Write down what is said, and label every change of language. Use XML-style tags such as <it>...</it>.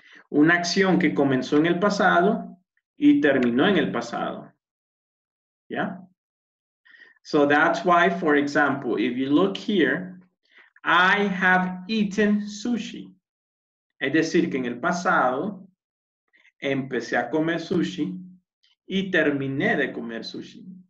<es>Una acción que comenzó en el pasado y terminó en el pasado. Yeah?</es> <en>So that's why, for example, if you look here, I have eaten sushi.</en> <es>Es decir, que en el pasado, empecé a comer sushi y terminé de comer sushi.</es>